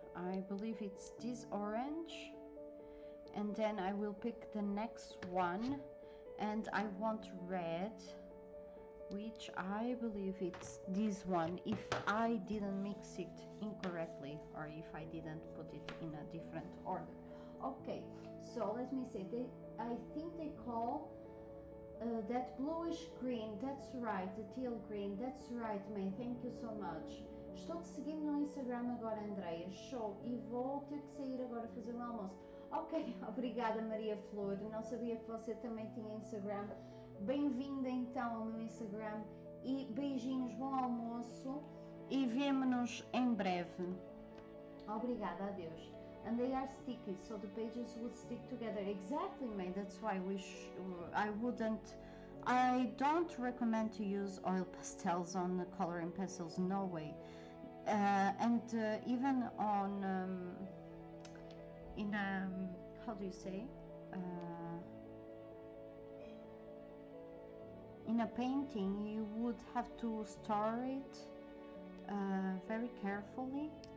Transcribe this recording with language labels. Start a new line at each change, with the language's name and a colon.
English: I believe it's this orange. And then I will pick the next one, and I want red, which I believe it's this one, if I didn't mix it incorrectly, or if I didn't put it in a different order. Okay, so let me see, I think they call that bluish green, that's right, the teal green, that's right, May, thank you so much.
Portuguese: Estou te seguindo no Instagram agora, Andrea, show, e vou ter que sair agora fazer um almoço. Ok, obrigada Maria Flor, não sabia que você também tinha Instagram. Bem-vinda então ao meu Instagram e beijinhos, bom almoço e vemo-nos em breve. Obrigada, adeus.
English: And they are sticky, so the pages would stick together. Exactly, May, that's why I wouldn't, I don't recommend to use oil pastels on the coloring pencils, no way. And even on in how do you say in a painting, you would have to store it very carefully.